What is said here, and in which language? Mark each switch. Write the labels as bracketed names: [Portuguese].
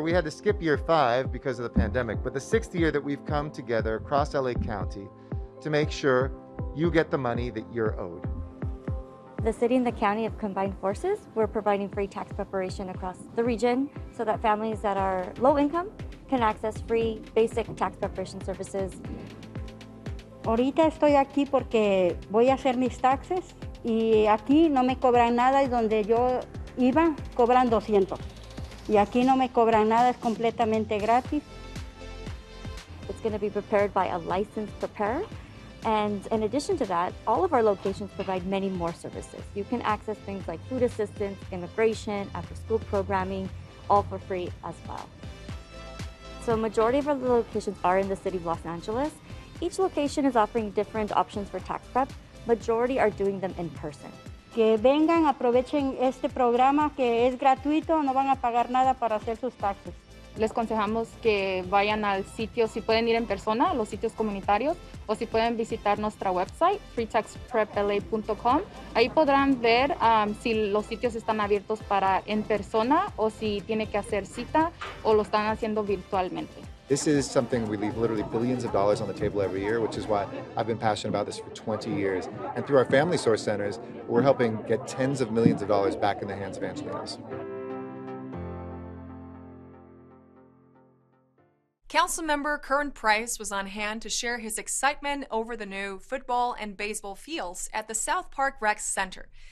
[English] We had to skip year five because of the pandemic, but the sixth year that we've come together across LA County to make sure you get the money that you're owed. The city and the county have combined forces. We're providing free tax preparation across the region so that families that are low income can access free basic tax preparation services. [Spanish] Ahorita estoy aquí porque voy a hacer mis taxes y aquí no me cobran nada y donde yo iba cobran 200. Y aquí no me cobran nada, es completamente gratis. [English] It's going to be prepared by a licensed preparer. And in addition to that, all of our locations provide many more services. You can access things like food assistance, immigration, after-school programming, all for free as well. So a majority of our locations are in the city of Los Angeles. Each location is offering different options for tax prep. Majority are doing them in person. [Spanish] Que vengan, aprovechen este programa que es gratuito, no van a pagar nada para hacer sus taxes. Les aconsejamos que vayan al sitio, si pueden ir en persona, a los sitios comunitarios, o si pueden visitar nuestra website, freetaxprepla.com. Ahí podrán ver si los sitios están abiertos para en persona, o si tiene que hacer cita, o lo están haciendo virtualmente. [English] This is something we leave literally billions of dollars on the table every year, which is why I've been passionate about this for 20 years. And through our Family Source Centers, we're helping get tens of millions of dollars back in the hands of Angelenos. Councilmember Curran Price was on hand to share his excitement over the new football and baseball fields at the South Park Rec Center.